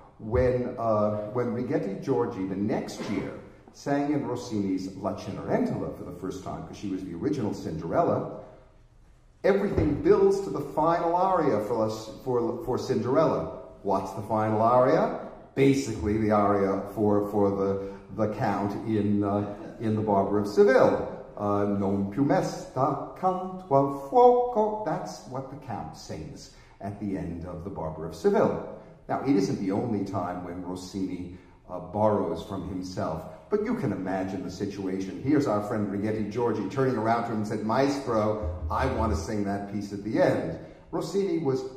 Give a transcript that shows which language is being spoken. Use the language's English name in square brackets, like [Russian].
[English] When Righetti Giorgi the next year sang in Rossini's La Cenerentola for the first time, because she was the original Cinderella, everything builds to the final aria for Cinderella. What's the final aria? Basically, the aria for the count in The Barber of Seville. [Italian] Non più mesta canto al fuoco. [English] That's what the count sings at the end of The Barber of Seville. Now, it isn't the only time when Rossini borrows from himself, but you can imagine the situation. Here's our friend Righetti Giorgi turning around to him and said, Maestro, I want to sing that piece at the end. Rossini was